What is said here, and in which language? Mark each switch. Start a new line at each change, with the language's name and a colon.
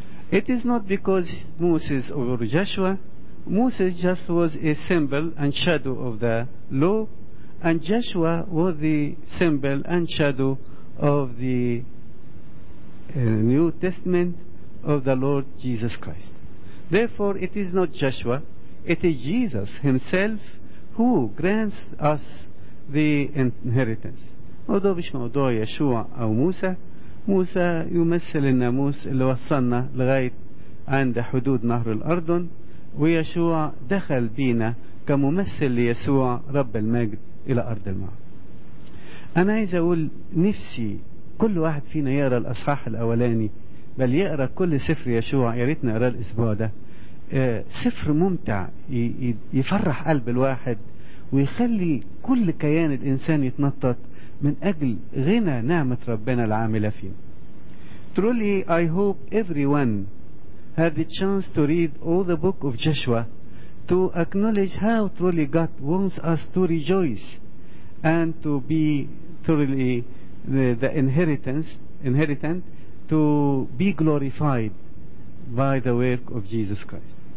English: It is not because Moses or Joshua. Moses just was a symbol and shadow of the law, and Joshua was the symbol and shadow of the New Testament of the Lord Jesus Christ. Therefore, it is not Joshua, it is Jesus himself who grants us the inheritance.
Arabic: موضوع مش موضوع يشوع أو موسى. موسى يمثل الناموس اللي وصلنا لغاية عند حدود نهر الأردن، ويشوع دخل بينا كممثل ليسوع رب المجد إلى أرض المعبد. أنا عايز أقول نفسي كل واحد فينا يقرأ الأصحاح الأولاني، بل يقرأ كل سفر يشوع، ياريتنا قرأ الأسبوع ده. سفر ممتع يفرح قلب الواحد ويخلي كل كيان الإنسان يتنطط من أجل غنى نعمة ربنا العاملة فيه.
English: Truly I hope everyone had the chance to read all the book of Joshua to acknowledge how truly God wants us to rejoice and to be truly the inheritance to be glorified by the work of Jesus Christ.